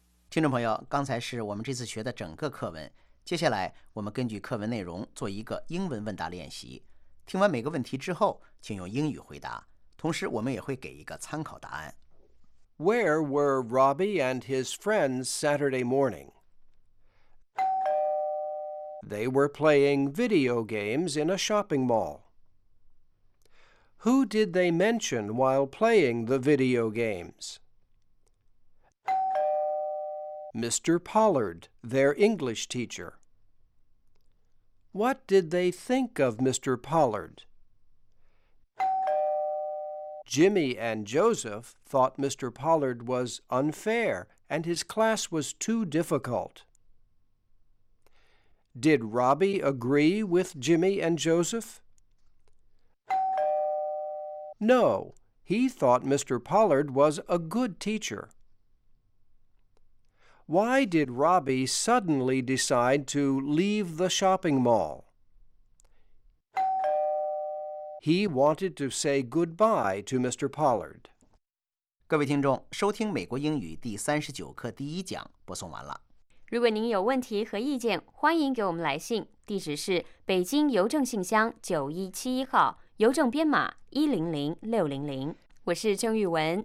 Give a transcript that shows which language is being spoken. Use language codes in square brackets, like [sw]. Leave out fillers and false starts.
[zh] 听众朋友，刚才是我们这次学的整个课文，接下来我们根据课文内容做一个英文问答练习。听完每个问题之后，请用英语回答，同时我们也会给一个参考答案。 [en] Where were Robbie and his friends Saturday morning? They were playing video games in a shopping mall. Who did they mention while playing the video games? Mr. Pollard, their English teacher. What did they think of Mr. Pollard? Jimmy and Joseph thought Mr. Pollard was unfair and his class was too difficult. Did Robbie agree with Jimmy and Joseph? No, he thought Mr. Pollard was a good teacher. Why did Robbie suddenly decide to leave the shopping mall? He wanted to say goodbye to Mr. Pollard. [zh] 各位听众，收听美国英语第39课第一讲播送完了。如果您有问题和意见，欢迎给我们来信，地址是北京邮政信箱9171号，邮政编码100600。我是郑玉文，